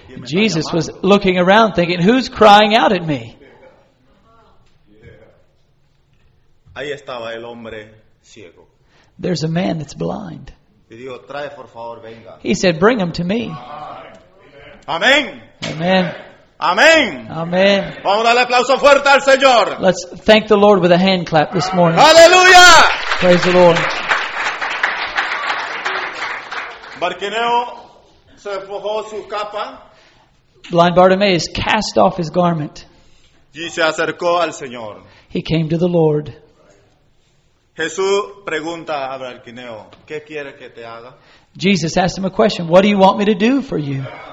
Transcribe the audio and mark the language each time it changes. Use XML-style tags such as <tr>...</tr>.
<es>¿Quién me</es> <en>Jesus</en> <es>está llamando?</es> <en>Was looking around thinking, who's crying out at me?</en> <es>Ahí estaba el hombre ciego.</es> <en>There's a man that's blind.</en> <es>Y Dios, trae, por favor, venga.</es> <en>He said, bring him to me.</en> <es>Amén. Amén. Amén. Amén. Vamos a darle aplauso fuerte al Señor.</es> <en>Let's thank the Lord with a hand clap this morning.</en> <es>Aleluya.</es> <en>Praise the Lord.</en> <es>Bartimeo se despojó su capa.</es> <en>Blind Bartimaeus cast off his garment.</en> <es>Y se acercó al Señor.</es> <en>He came to the Lord.</en> <es>Jesús pregunta a Bartimeo, ¿qué quiere que te haga?</es> <en>Jesus asked him a question, what do you want me to do for you?</en>